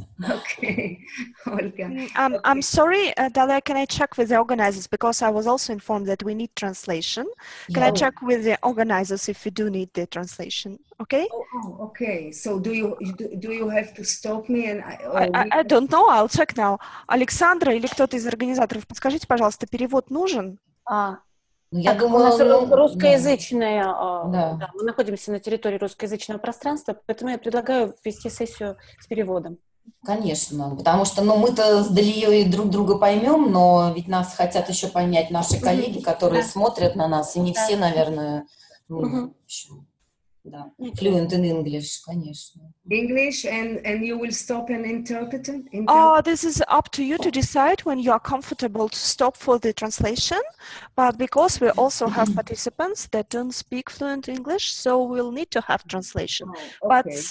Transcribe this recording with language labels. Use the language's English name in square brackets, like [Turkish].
[English] Okay, Olga. Okay. I'm sorry, Dalia, can I check with the organizers, because I was also informed that we need translation. Can I check with the organizers if we do need the translation? Okay. Oh, okay. So do you have to stop me and I don't know. I'll check now. [Russian] Александра или кто-то из организаторов, подскажите, пожалуйста, перевод нужен? Русскоязычная. Да. Мы находимся на территории русскоязычного пространства, поэтому я предлагаю вести сессию с переводом. Конечно, потому что, ну, мы-то с Далией друг друга поймем, но ведь нас хотят еще понять наши коллеги, которые смотрят на нас, и не все, наверное. Да. [English] Fluent in English, [Russian] конечно. [English] English and you will stop and interpret it? This is up to you to decide when you are comfortable to stop for the translation. But because we also have participants that don't speak fluent English, so we'll need to have translation. Oh, okay.